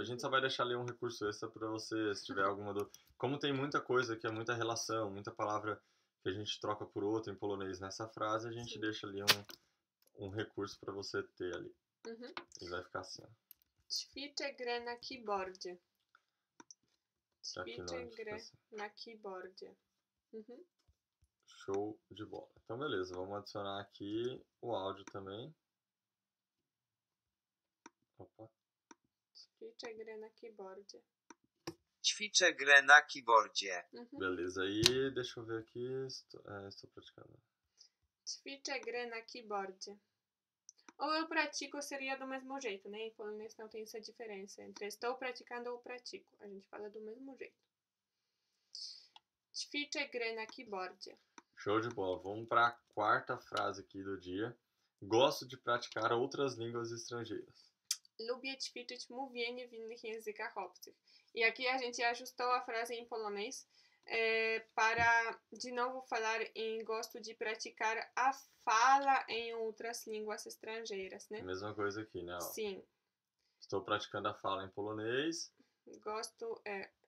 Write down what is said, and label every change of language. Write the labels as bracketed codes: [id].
[pt] A gente só vai deixar ali um recurso extra para você, se tiver alguma dúvida. Como tem muita coisa aqui, é muita relação, muita palavra que a gente troca por outra em polonês nessa frase, a gente Sim. deixa ali um recurso para você ter ali. E vai ficar assim, ó. [pl] Ćwiczę grę na keyboardzie. [pt] Aqui na hora [pl] Ćwiczę [pt] fica [pl] grę [pt] assim. [pl] na keyboardzie. [pt] Show de bola. Então, beleza. Vamos adicionar aqui o áudio também. Opa. [pl] Ćwiczę grę na keyboardzie. Ćwiczę grę na keyboardzie. [pt] Beleza. Aí, deixa eu ver aqui. Estou praticando. [pl] Ćwiczę grę na keyboardzie. [pt] Ou eu pratico seria do mesmo jeito, né? Em polonês não tem essa diferença entre estou praticando ou pratico. A gente fala do mesmo jeito. [pl] Ćwiczę grę na keyboardzie. [pt] Show de bola. Vamos para a quarta frase aqui do dia. Gosto de praticar outras línguas estrangeiras. [pl] Lubię ćwiczyć mówienie w innych językach obcych. [pt] E aqui a gente ajustou a frase em polonês para, de novo, falar em gosto de praticar a fala em outras línguas estrangeiras, né? Mesma coisa aqui, né? Sim. Estou praticando a fala em polonês. Gosto é.